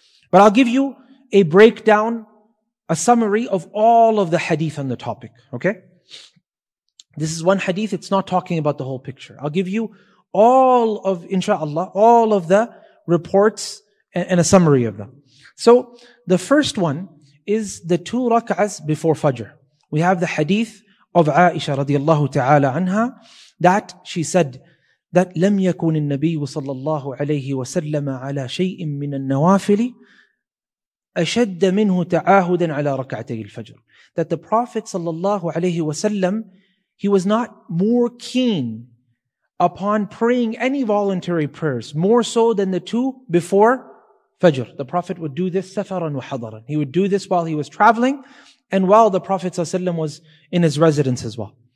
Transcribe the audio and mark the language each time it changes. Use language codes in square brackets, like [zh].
[en] But I'll give you a breakdown, a summary of all of the hadith on the topic, okay? This is one hadith, it's not talking about the whole picture. I'll give you all of, inshallah, all of the reports and a summary of them. So the first one is the 2 rak'ahs before Fajr. We have the hadith of Aisha radiallahu ta'ala anha, that she said that [ar] لم يكن النبي صلى الله عليه وسلم على شيء من النوافل أشد منه تعاهدا على ركعتي الفجر. [en] That the Prophet صلى الله عليه وسلم, he was not more keen upon praying any voluntary prayers more so than the two before Fajr. The Prophet would do this safaran wa hadaran. He would do this while he was traveling, and while the Prophet ﷺ was in his residence as well.